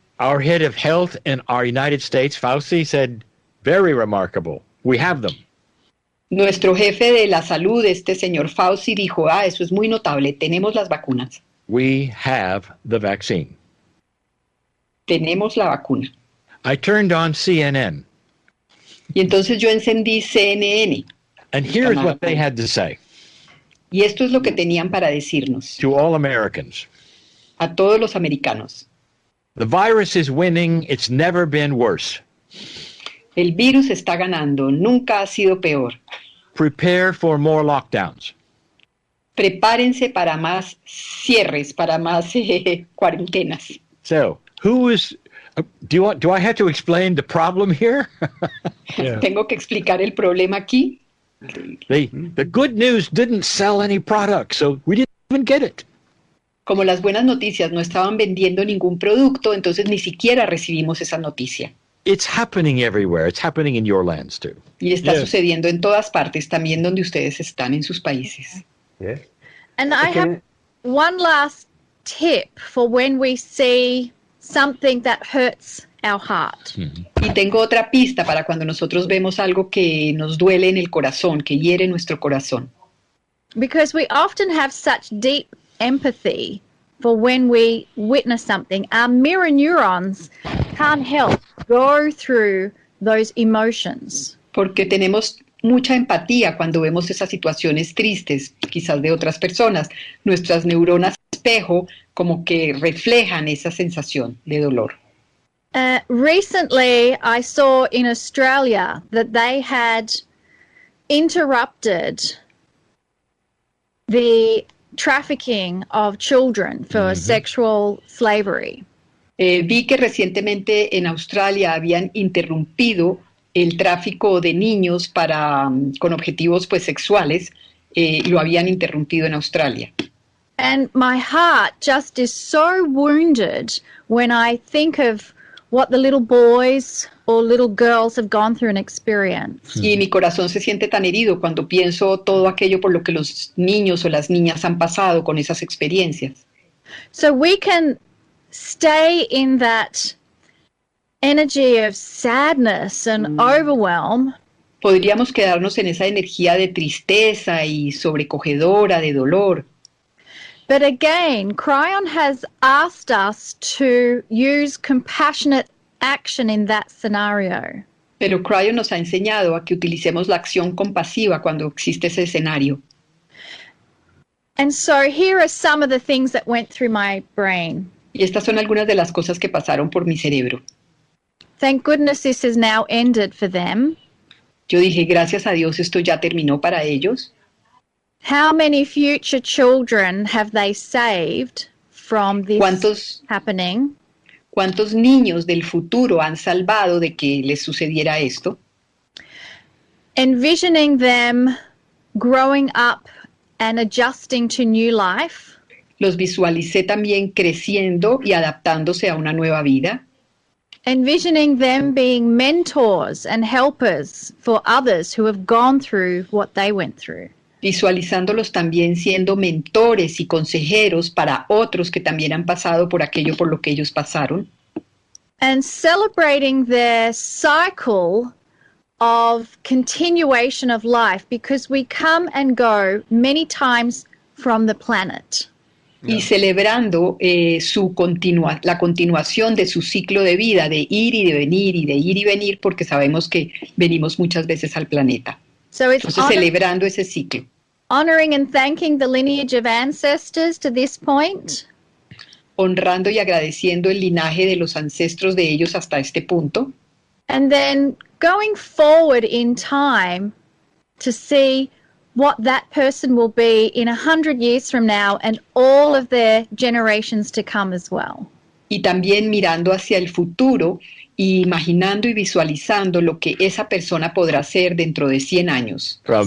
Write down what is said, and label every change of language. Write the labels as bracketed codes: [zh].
[en] Our head of health in our United States, Fauci, said, very remarkable. We have them. [es] Nuestro jefe de la salud, este señor Fauci, dijo, ah, eso es muy notable. Tenemos las vacunas. [en] We have the vaccine. [es] Tenemos la vacuna. [en] I turned on CNN. [es] Y entonces yo encendí CNN. [en] And here is what they had to say. [es] Y esto es lo que tenían para decirnos. [en] To all Americans. [es] A todos los americanos. [en] The virus is winning. It's never been worse. [es] El virus está ganando. Nunca ha sido peor. [en] Prepare for more lockdowns. [es] Prepárense para más cierres, para más cuarentenas. [en] So, who is... Do I have to explain the problem here? [es] Tengo que explicar el problema aquí. [en] The good news didn't sell any product, so we didn't even get it. [es] Como las buenas noticias no estaban vendiendo ningún producto, entonces ni siquiera recibimos esa noticia. [en] It's happening everywhere. It's happening in your lands too. [es] Y está sucediendo en todas partes, también donde ustedes están en sus países. [en] Yeah. And I have one last tip for when we see something that hurts our heart. [es] Y tengo otra pista para cuando nosotros vemos algo que nos duele en el corazón, que hiere nuestro corazón. [en] Because we often have such deep empathy for when we witness something, our mirror neurons can't help go through those emotions. [es] Porque tenemos mucha empatía cuando vemos esas situaciones tristes, quizás de otras personas. Nuestras neuronas espejo como que reflejan esa sensación de dolor. [en] Recently, I saw in Australia that they had interrupted the trafficking of children for sexual slavery. [es] Vi que recientemente en Australia habían interrumpido el tráfico de niños para con objetivos pues sexuales y lo habían interrumpido en Australia. [en] And my heart just is so wounded when I think of what the little boys or little girls have gone through and experienced. [es] Y mi corazón se siente tan herido cuando pienso todo aquello por lo que los niños o las niñas han pasado con esas experiencias. [en] So we can stay in that energy of sadness and overwhelm. [es] Podríamos quedarnos en esa energía de tristeza y sobrecogedora de dolor. [en] But again, Cryon has asked us to use compassionate action in that scenario. [es] Pero Cryon nos ha enseñado a que utilicemos la acción compasiva cuando existe ese escenario. [en] And so here are some of the things that went through my brain. [es] Y estas son algunas de las cosas que pasaron por mi cerebro. [en] Thank goodness this has now ended for them. [es] Yo dije, gracias a Dios, esto ya terminó para ellos. [en] How many future children have they saved from this happening? [es] ¿Cuántos niños del futuro han salvado de que les sucediera esto? [en] Envisioning them growing up and adjusting to new life. [es] Los visualicé también creciendo y adaptándose a una nueva vida. [en] Envisioning them being mentors and helpers for others who have gone through what they went through. [es] Visualizándolos también siendo mentores y consejeros para otros que también han pasado por aquello por lo que ellos pasaron. [en] And celebrating their cycle of continuation of life, because we come and go many times from the planet. [es] Y celebrando la continuación de su ciclo de vida, de ir y de venir y de ir y venir, porque sabemos que venimos muchas veces al planeta. [en] So it's [es] entonces celebrando ese ciclo. [en] Honoring and thanking the lineage of ancestors to this point. [es] Honrando y agradeciendo el linaje de los ancestros de ellos hasta este punto. [en] And then going forward in time to see what that person will be in 100 years from now and all of their generations to come as well. [es] Y también mirando hacia el futuro, imaginando y visualizando lo que esa persona podrá ser dentro de 100 años.